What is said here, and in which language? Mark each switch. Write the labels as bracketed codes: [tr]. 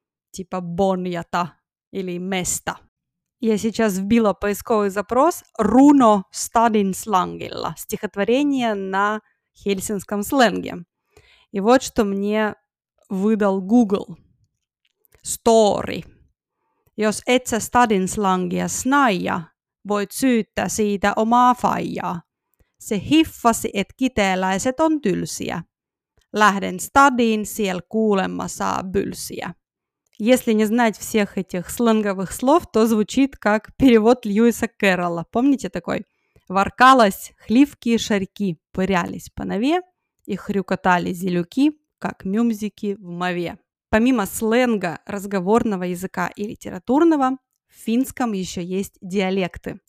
[ru] Типа боньята или места. Я сейчас вбила поисковый запрос «Руно стадинслангилла» – стихотворение на хельсинском сленге. И вот что мне выдал Google. [en] Story. [fi] Jos et sä stadinslangia snaija, voit syyttää siitä omaa faijaa. Se hiffasi, et kiteeläiset on tylsiä. Lähden stadiin, siellä kuulemma saa bylsiä. [ru] Если не знать всех этих сленговых слов, то звучит как перевод Льюиса Кэрролла. Помните такой? Воркалась хливки и шарьки, пырялись по нове, и хрюкотали зелюки, как мюмзики в мове. Помимо сленга, разговорного языка и литературного, в финском еще есть диалекты.